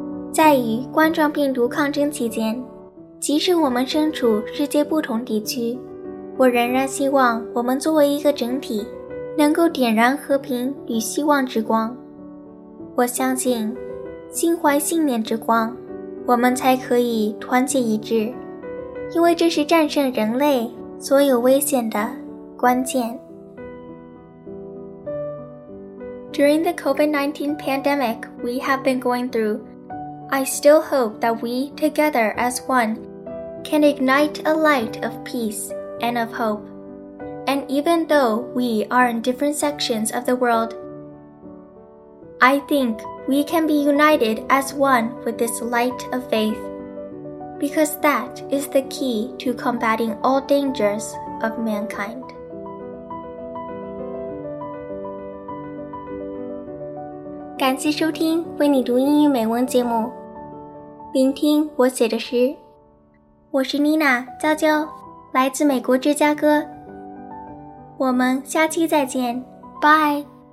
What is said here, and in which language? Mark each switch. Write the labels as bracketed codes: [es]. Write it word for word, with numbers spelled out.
[zh] 在与冠状病毒抗争期间，即使我们身处世界不同地区，我仍然希望我们作为一个整体，能够点燃和平与希望之光。我相信，心怀信念之光，我们才可以团结一致，因为这是战胜人类所有危险的关键。 [en] During the covid nineteen pandemic we have been going through, I still hope that we, together as one, can ignite a light of peace and of hope. And even though we are in different sections of the world, I think we can be united as one with this light of faith, because that is the key to combating all dangers of mankind. [zh] 感谢收听为你读英语美文节目，聆听我写的诗。我是 Nina 娇娇，来自美国芝加哥。我们下期再见，拜。